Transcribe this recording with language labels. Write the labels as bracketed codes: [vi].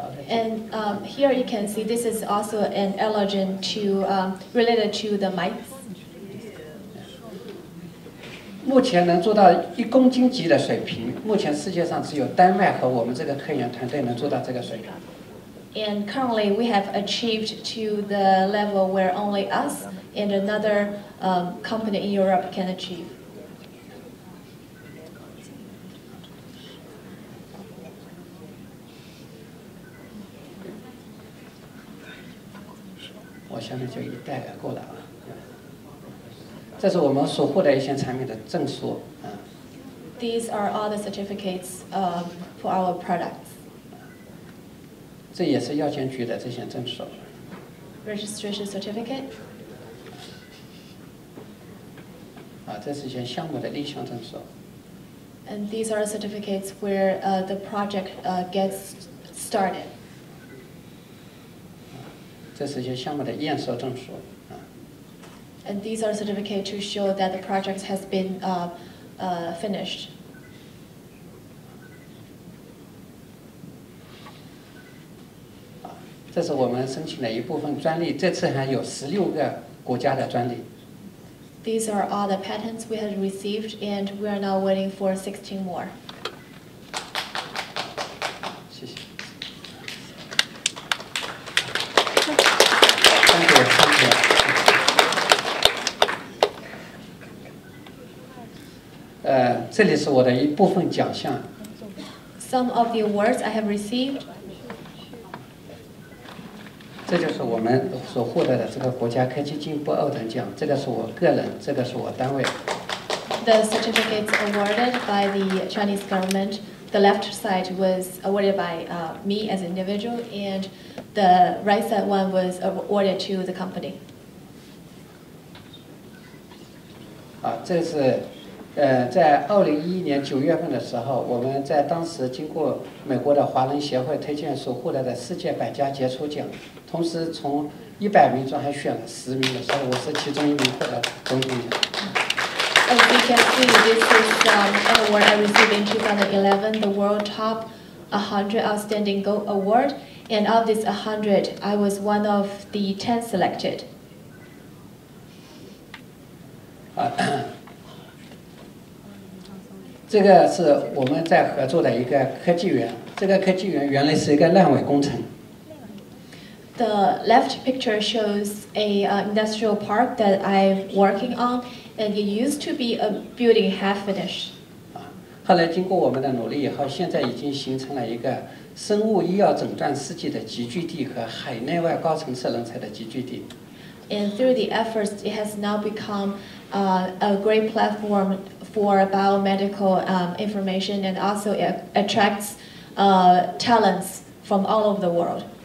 [en] and here you can see this is also an allergen to related to the mites. [zh] 目前能做到一公斤级的水平，目前世界上只有丹麦和我们这个科研团队能做到这个水平。 [en] And currently, we have achieved to the level where only us and another company in Europe can achieve. [zh] 我下面就一带而过了啊。这是我们所获得一些产品的证书啊。 [en] These are all the certificates for our products. [zh] 这也是药监局的这些证书。 [en] Registration certificate。 [zh] 啊，这是一些项目的立项证书。 [en] And these are certificates where the project gets started。 [zh] 这是一些项目的验收证书。啊。 [en] And these are certificates to show that the project has been finished. [zh] 这是我们申请的一部分专利，这次还有16个国家的专利。 [en] These are all the patents we have received, and we are now waiting for 16 more. [zh] 谢谢。 [en] Thank you. [zh] 这里是我的一部分奖项。 [en] Some of the awards I have received. [zh] 这就是我们所获得的这个国家科技进步二等奖，这个是我个人，这个是我单位。 [en] The certificates awarded by the Chinese government, the left side was awarded by me as an individual, and the right side one was awarded to the company. [zh] 啊，这是，在2011年九月份的时候，我们在当时经过美国的华人协会推荐所获得的世界百家杰出奖。同时从100名中还选了10名的，所以我是其中一名获得总经理。 [en] As you can see, this is an award I received in 2011, the World Top 100 Outstanding Gold Award. And of this 100, I was one of the 10 selected. The left picture shows an industrial park that I'm working on, and it used to be a building half finished. [zh] 后来经过我们的努力以后，现在已经形成了一个生物医药诊断试剂的集聚地和海内外高层次人才的集聚地。 [en] And through the efforts, it has now become a great platform for biomedical information, and also it attracts talents from all over the world.